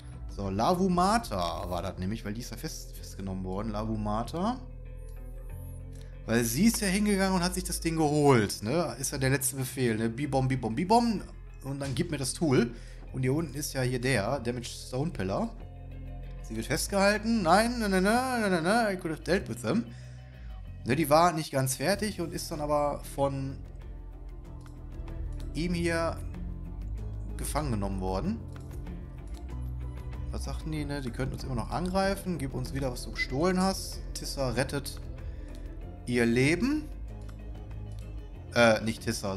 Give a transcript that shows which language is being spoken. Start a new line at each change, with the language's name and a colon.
German: So, Lavumata war das nämlich, weil die ist ja festgenommen worden. Lavumata. Weil sie ist ja hingegangen und hat sich das Ding geholt. Ne? Ist ja der letzte Befehl. Ne? Bibom, bibom, bibom. Und dann gib mir das Tool. Und hier unten ist ja hier der Damage Stone Pillar. Sie wird festgehalten. Nein, nein, nein, nein, nein, nein.
English: I could have dealt with them.
German: Ne, die war nicht ganz fertig und ist dann aber von ihm hier gefangen genommen worden. Was sagten die, ne? Die könnten uns immer noch angreifen. Gib uns wieder, was du gestohlen hast. Tissa rettet ihr Leben. Nicht Tissa.